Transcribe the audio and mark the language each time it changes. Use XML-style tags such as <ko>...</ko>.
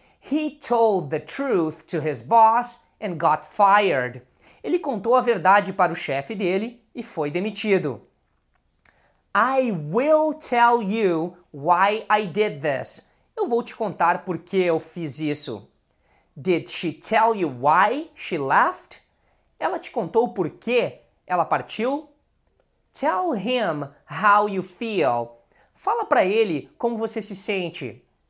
<en>He told the truth to his boss and got fired.</en> <pt>Ele contou a verdade para o chefe dele e foi demitido.</pt> <en>I will tell you why I did this.</en> <pt>Eu vou te contar por que eu fiz isso.</pt> <en>Did she tell you why she left?</en> <pt>Ela te contou por que ela partiu?</pt> <en>Tell him how you feel.</en> <pt>Fala para ele como você se sente.</pt>